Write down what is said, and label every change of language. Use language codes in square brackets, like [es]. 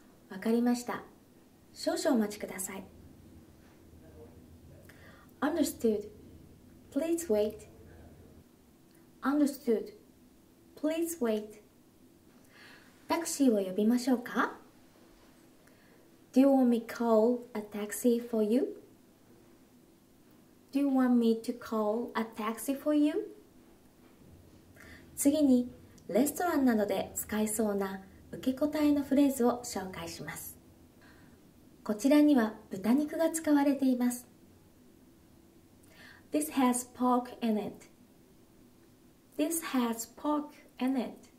[ja] わかりました。少々お待ちください。 [en] Understood. Please wait. Understood. Please wait. [ja] タクシーを呼びましょうか? [en] Do you want me to call a taxi for you? Do you want me to call a taxi for you? [ja] 次に、レストランなどで使えそうな受け答えのフレーズを紹介します。こちらには豚肉が使われています。 [en] This has pork in it. This has pork in it.